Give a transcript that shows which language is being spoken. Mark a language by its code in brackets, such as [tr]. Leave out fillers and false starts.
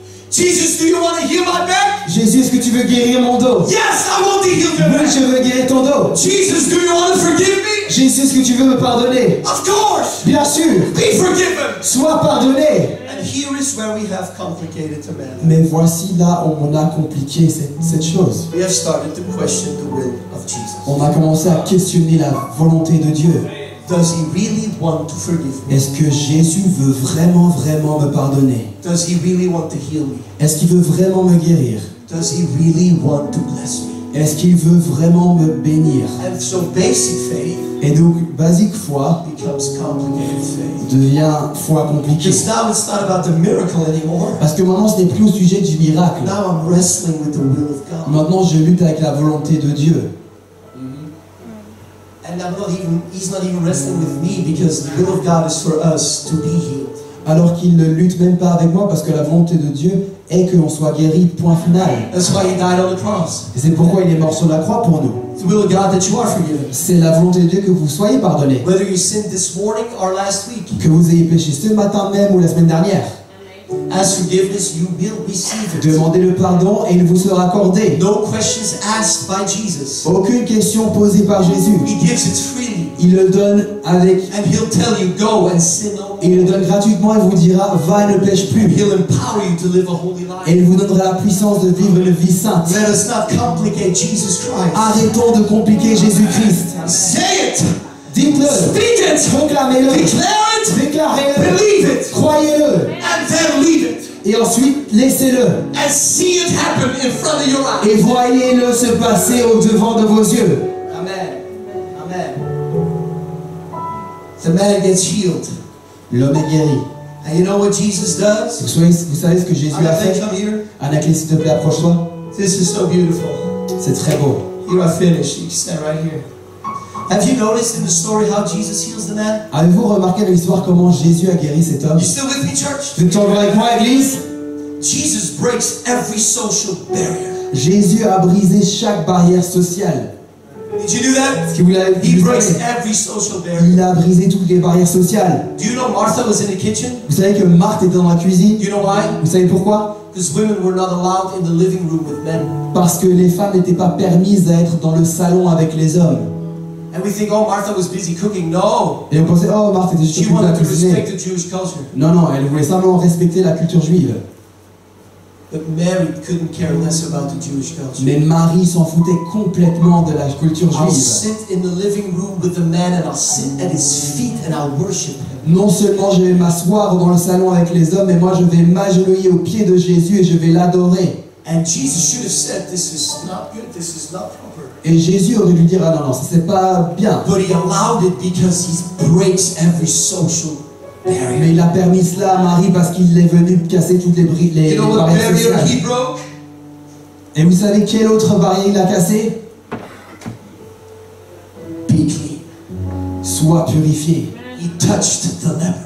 [en] Jesus, do you want to heal my back? [fr] Jésus, est-ce que tu veux guérir mon dos? [en] Yes, I want to heal your back. [fr] Oui, je veux guérir ton dos. [en] Jesus, do you want to forgive me? [fr] Jésus, est-ce que tu veux me pardonner? [en] Of course. [fr] Bien sûr. [en] Be forgiven. [fr] Sois pardonné. [en] And here is where we have complicated the matter. [fr] Mais voici là où on a compliqué cette chose. [en] We have started to question the will of Jesus. [fr] On a commencé à questionner la volonté de Dieu. [en] Does he really want to forgive me? [fr] Est-ce que Jésus veut vraiment, vraiment me pardonner? [en] Does he really want to heal me? [fr] Est-ce qu'il veut vraiment me guérir? [en] Does he really want to bless me? [fr] Est-ce qu'il veut vraiment me bénir? [en] And so basic faith. [fr] Et donc, basique foi [en] becomes complicated faith. [fr] Devient foi compliquée. [en] Because now it's not about the miracle anymore. [fr] Parce que maintenant, ce n'est plus au sujet du miracle. [en] Now I'm wrestling with the will of God. [fr] Maintenant, je lutte avec la volonté de Dieu. [en] And I'm not even, he's not even wrestling with me because the will of God is for us to be healed. [fr] Alors qu'il ne lutte même pas avec moi parce que la volonté de Dieu est que l'on soit guéri, point final. [en] That's why he died on the cross. [fr] Et c'est pourquoi il est mort sur la croix pour nous. [en] The will of God that you are forgiven. [fr] C'est la volonté de Dieu que vous soyez pardonné. [en] Whether you sinned this morning or last week. [fr] Que vous ayez péché ce matin même ou la semaine dernière. [en] As forgiveness, you will receive it. [fr] Demandez le pardon et il vous sera accordé. [en] No questions asked by Jesus. [fr] Aucune question posée par Jésus. [en] He gives it freely. [fr] Il le donne avec. [en] And he'll tell you, go and sin no more. [fr] Et il le donne gratuitement et vous dira, va et ne pêche plus. [en] He'll empower you to live a holy life. [fr] Et il vous donnera la puissance de vivre une vie sainte. [en] Let us not complicate Jesus Christ. [fr] Arrêtons de compliquer Jésus Christ. [en] Say it. [fr] Dites-le. [en] Speak it. [fr] Proclamez-le. [en] Declare it. [fr] Déclarez-le. [en] Believe it. [fr] Croyez-le. [en] And then leave it. [fr] Et ensuite, laissez-le. [en] And see it happen in front of your eyes. [fr] Et voyez-le se passer au devant de vos yeux. [en] Amen. Amen. The man gets healed. [fr] L'homme est guéri. [en] And you know what Jesus does? [fr] Vous savez ce que Jésus a fait? Anaclis, s'il te plaît, approche-toi. [en] This is so beautiful. [fr] C'est très beau. [en] You are finished. You stand right here. Have you noticed in the story how Jesus heals the man? [fr] Avez-vous remarqué dans l'histoire comment Jésus a guéri cet homme? [en] You still with me, church? [fr] Vous êtes encore avec moi, église? [en] Jesus breaks every social barrier. [fr] Jésus a brisé chaque barrière sociale. [en] Did you do that? [fr] Est-ce que vous l'avez vu? [en] He breaks every social barrier. [fr] Il a brisé toutes les barrières sociales. [en] Do you know Martha was in the kitchen? [fr] Vous savez que Marthe était dans la cuisine? [en] Do you know why? [fr] Vous savez pourquoi? [en] Because women were not allowed in the living room with men. [fr] Parce que les femmes n'étaient pas permises d'être dans le salon avec les hommes. [en] And we think, oh, Martha was busy cooking. No. [fr] Et on pensait, oh, Martha était juste en train de cuisiner. [en] She wanted to respect the Jewish culture. [fr] Non, non, elle voulait simplement respecter la culture juive. [en] But Mary couldn't care less about the Jewish culture. [fr] Mais Marie s'en foutait complètement de la culture juive. [en] I'll sit in the living room with the man and I'll sit at his feet and I'll worship him. [fr] Non seulement je vais m'asseoir dans le salon avec les hommes, mais moi je vais m'agenouiller aux pieds de Jésus et je vais l'adorer. [en] And Jesus should have said, "This is not good. This is not proper." [fr] Et Jésus aurait dû dire, ah non non, ça c'est pas bien. [en] But he allowed it because he breaks every social. [fr] Mais il a permis cela à Marie parce qu'il est venu casser toutes les barrières sociales. Et vous savez quelle autre barrière il a cassé? [en] Be clean. [fr] Sois purifié. [en] He touched the leper.